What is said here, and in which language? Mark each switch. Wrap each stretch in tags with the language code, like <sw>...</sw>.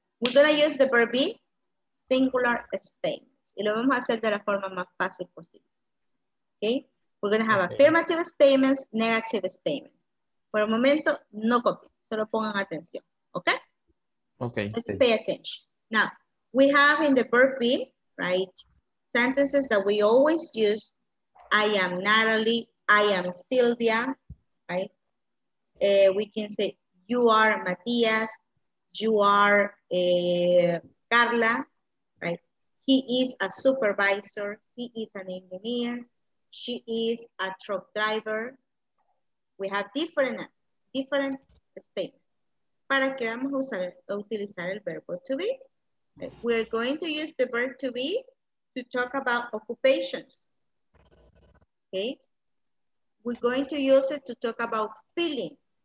<en>We're going to use the verb be singular statements.</en> <es>Y lo vamos a hacer de la forma más fácil posible.</es> <en>Okay? We're going to have affirmative statements, negative statements.</en> <es>Por el momento, no copien. Solo pongan atención. Okay?</es> <en>Okay. Let's pay attention. Now, we have in the verb be, right, sentences that we always use. I am Natalie. I am Sylvia. Right? We can say, you are Matias, you are Carla, right? He is a supervisor, he is an engineer, she is a truck driver. We have different statements.</en> <es>¿Para qué vamos a usar, utilizar el verbo to be?</es> <en>We're going to use the verb to be to talk about occupations, okay? We're going to use it to talk about feelings.</en>